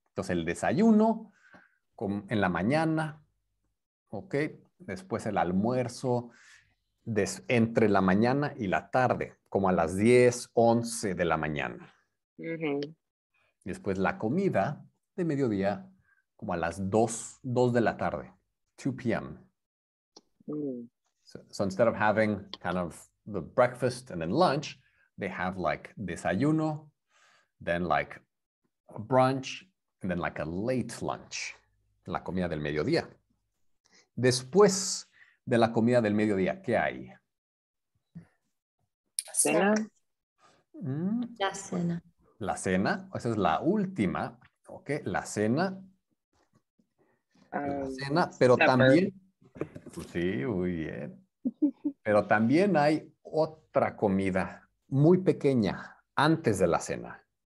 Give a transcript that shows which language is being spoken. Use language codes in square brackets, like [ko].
[es] Entonces el desayuno en la mañana, okay, después el almuerzo entre la mañana y la tarde, como a las 10, 11 de la mañana. Después la comida de mediodía, como a las 2 de la tarde, 2 p.m. [en] So instead of having kind of the breakfast and then lunch, they have like desayuno, then like a brunch, and then like a late lunch, [es] la comida del mediodía. Después de la comida del mediodía, ¿qué hay? Cena. La cena. La cena, esa es la última, ¿ok? La cena, pero [en] Supper. [es] también, pues sí, muy bien, pero también hay otra comida muy pequeña antes de la cena.